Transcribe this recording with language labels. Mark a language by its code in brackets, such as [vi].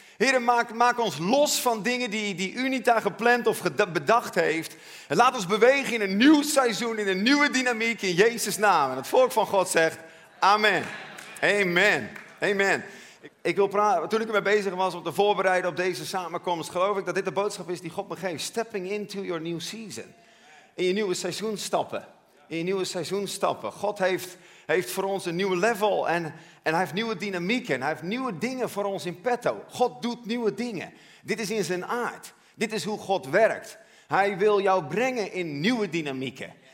[nl] Heer, maak ons los van dingen die u niet daar gepland of bedacht heeft. En laat ons bewegen in een nieuw seizoen, in een nieuwe dynamiek, in Jezus' naam. En het volk van God zegt, amen. Amen. Amen. Ik wil praten, toen ik ermee bezig was om te voorbereiden op deze samenkomst, geloof ik dat dit de boodschap is die God me geeft. [en] Stepping into your new season. [nl] In je nieuwe seizoen stappen. In je nieuwe seizoen stappen. God heeft voor ons een nieuwe level en hij heeft nieuwe dynamieken. En hij heeft nieuwe dingen voor ons in petto. God doet nieuwe dingen. Dit is in zijn aard. Dit is hoe God werkt. Hij wil jou brengen in nieuwe dynamieken.